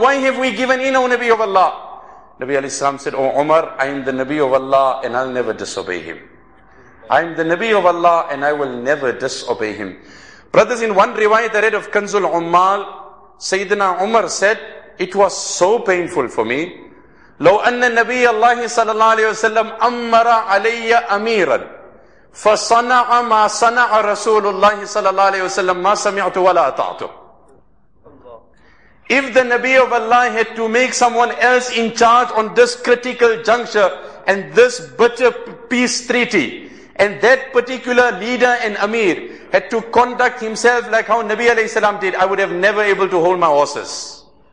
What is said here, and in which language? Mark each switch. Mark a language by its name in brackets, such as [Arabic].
[English] Why have we given in, O Nabi of Allah? Nabi alayhi salam said, O Umar, I am the Nabi of Allah and I'll never disobey him. I am the Nabi of Allah and I will never disobey him. Brothers, in one riwayat I read of Kanzul Ummal, Sayyidina Umar said, it was so painful for me. [Arabic] لو أن النبي الله صلى الله عليه وسلم أمر علي أميرا فصنع ما صنع رسول الله صلى الله عليه وسلم ما سمعت ولا أطعت. [English] If the Nabi of Allah had to make someone else in charge on this critical juncture and this bitter peace treaty, and that particular leader and Amir had to conduct himself like how Nabi alayhi salam did, I would have never able to hold my horses.